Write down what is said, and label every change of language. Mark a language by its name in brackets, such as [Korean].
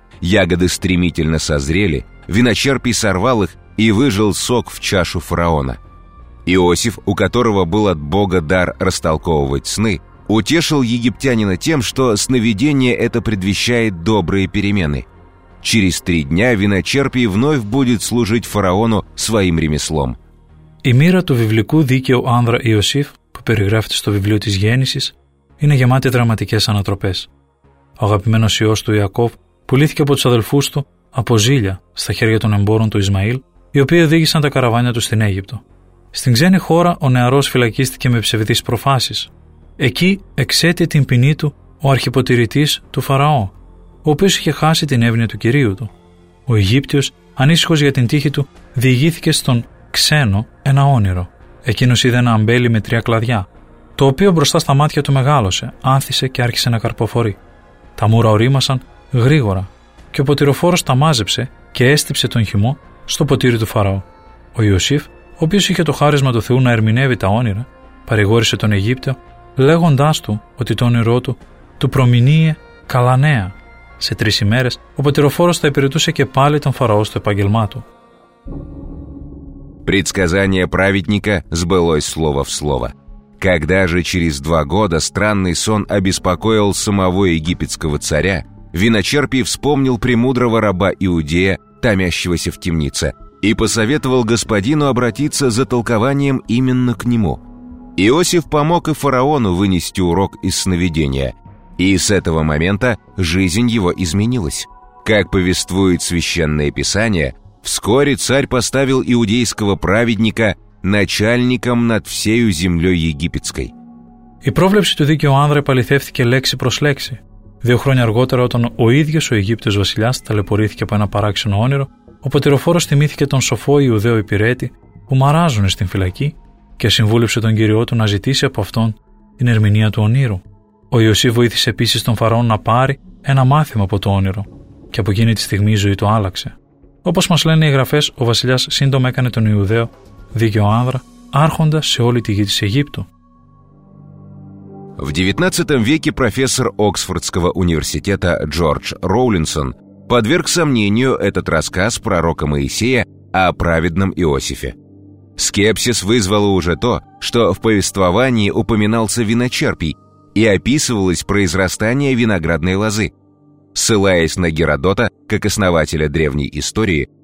[Russian] Ягоды стремительно созрели, виночерпий сорвал их и выжил сок в чашу фараона. Иосиф, у которого был от Бога дар растолковывать сны, утешил египтянина тем, что сновидение это предвещает добрые перемены. Через три дня виночерпий вновь будет служить фараону своим ремеслом. [Greek] Η μοίρα του βιβλικού δίκαιου άνδρα Ιωσήφ, που περιγράφεται στο βιβλίο της Γέννησης, είναι γεμάτη δραματικές ανατροπές. Ο αγαπημένος υιός του Ιακώβ πουλήθηκε από τους αδελφούς του από ζήλια στα χέρια των εμπόρων του Ισμαήλ, οι οποίοι οδήγησαν τα καραβάνια του στην Αίγυπτο. Στην ξένη χώρα ο νεαρός φυλακίστηκε με ψευδείς προφάσεις. Εκεί εξέτει την ποινή του ο αρχιποτηρητής του Φαραώ, ο οποίος είχε χάσει την εύνοια του κυρίου του. Ο Αιγύπτιος, ανήσυχος για την τύχη του, διηγήθηκε στον ξένο ένα όνειρο. Εκείνος είδε ένα αμπέλι με τρία κλαδιά, το οποίο μπροστά στα μάτια του μεγάλωσε, άνθησε και άρχισε να καρποφορεί. Τα μούρα ωρίμασαν γρήγορα και ο ποτηροφόρος τα μάζεψε και έστυψε τον χυμό στο ποτήρι του Φαραώ. Ο Ιωσήφ, ο οποίος είχε το χάρισμα του Θεού να ερμηνεύει τα όνειρα, παρηγόρησε τον Αιγύπτιο, λέγοντάς του ότι το όνειρό του του προμηνύε καλά νέα. Σε τρεις ημέρες, ο ποτηροφόρος θα υπηρετούσε και πάλι τον Φαραώ στο επάγγελμά του. [Russian] Предсказание праведника сбылось слово в слово. Когда же через два года странный сон обеспокоил самого египетского царя, виночерпий вспомнил премудрого раба Иудея, томящегося в темнице, и посоветовал господину обратиться за толкованием именно к нему. Иосиф помог и фараону вынести урок из сновидения, и с этого момента жизнь его изменилась. Как повествует Священное Писание, вскоре царь поставил иудейского праведника начальником над всею землей египетской. [Greek] Η πρόβλεψη του δίκαιου άνδρα επαληθεύτηκε λέξη προς λέξη. Δύο χρόνια αργότερα, όταν ο ίδιος ο Αιγύπτιος βασιλιάς ταλαιπωρήθηκε από ένα παράξενο όνειρο, ο ποτηροφόρος θυμήθηκε τον σοφό Ιουδαίο υπηρέτη που μαράζουνε στην φυλακή και συμβούλεψε τον κύριό του να ζητήσει από αυτόν την ερμηνεία του ονείρου. Ο Ιωσήφ βοήθησε επίσης τον Φαραώ να πάρει ένα μάθημα από το όνειρο και από εκείνη τη στιγμή η ζωή του άλλαξε. Όπως μας λένε οι γραφές, ο βασιλιάς σύντομα έκανε τον Ιουδαίο δίκαιο άνδρα, άρχοντα σε όλη τη γη της Αιγύπτου. [Russian] В XIX веке профессор Оксфордского университета Джордж Роулинсон подверг сомнению этот рассказ пророка Моисея о праведном Иосифе. Скепсис вызвало уже то, что в повествовании упоминался виночерпий и описывалось произрастание виноградной лозы. Ссылаясь на Геродота, как основателя древней истории,